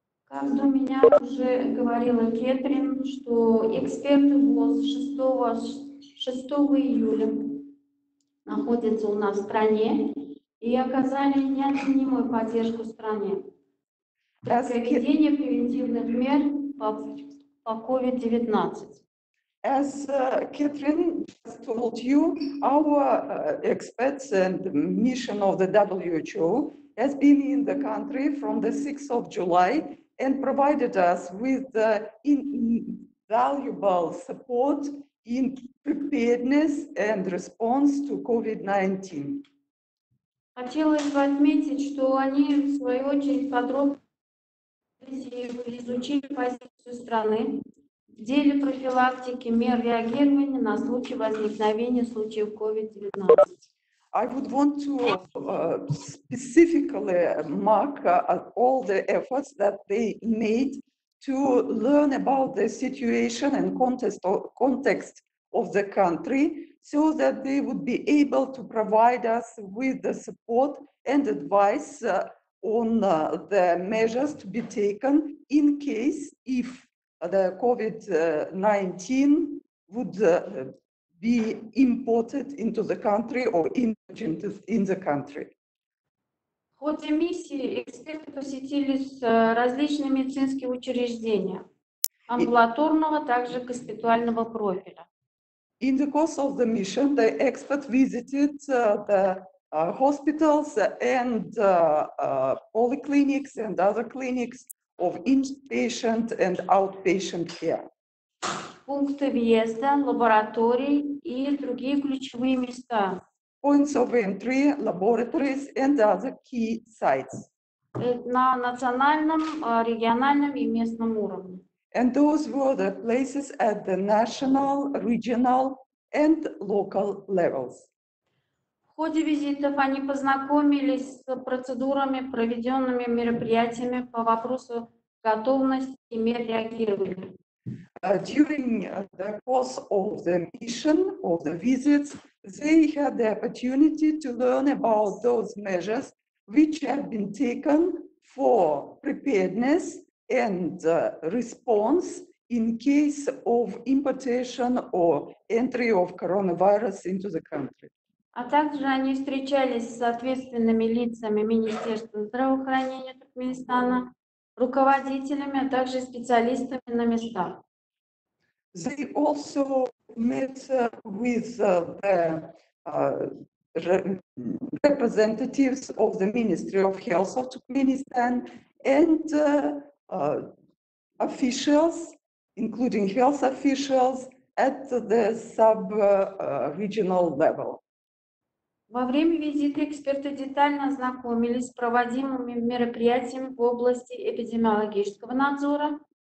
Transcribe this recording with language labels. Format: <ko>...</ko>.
<ru>Как до меня уже говорила Кэтрин, что эксперты ВОЗ 6 июля находятся у нас в стране и оказали неоценимую поддержку стране. Введение превентивных мер по COVID-19.</ru> <en>As Catherine just told you, our experts and mission of the WHO has been in the country from the 6th of July and provided us with invaluable support in preparedness and response to COVID-19.</en> <ru>Хотелось бы отметить, что они в свою очередь подробно изучили позицию страны в деле профилактики мер реагирования на случай возникновения случаев COVID-19.</ru> <en>I would want to specifically mark all the efforts that they made to learn about the situation and context of the country so that they would be able to provide us with the support and advice on the measures to be taken in case if the COVID-19 would be imported into the country or emergent in the country.</en> <ru>В ходе миссии эксперты посетили различные медицинские учреждения амбулаторного, также госпитального профиля.</ru> <en>In the course of the mission, the expert visited the hospitals and polyclinics and other clinics of inpatient and outpatient care.</en> <ru>Пункты въезда, лаборатории и другие ключевые места.</ru> <en>Points of entry, laboratories and other key sites.</en> <ru>На национальном, региональном и местном уровне.</ru> <en>And those were the places at the national, regional and local levels.</en> <ru>В ходе визитов они познакомились с процедурами, проведенными мероприятиями по вопросу готовности мер реагирования.</ru> <en>During the course of the mission, of the visits, they had the opportunity to learn about those measures which have been taken for preparedness and response in case of importation or entry of coronavirus into the country.</en> <ru>А также они встречались с ответственными лицами Министерства здравоохранения Туркменистана, руководителями, а также специалистами на местах.</ru> <en>They also met with the representatives of the Ministry of Health of Turkmenistan and officials, including health officials, at the sub-regional level.</en> <ru>Во время визита эксперты детально ознакомились с проводимыми мероприятиями в области эпидемиологического надзора.</ru>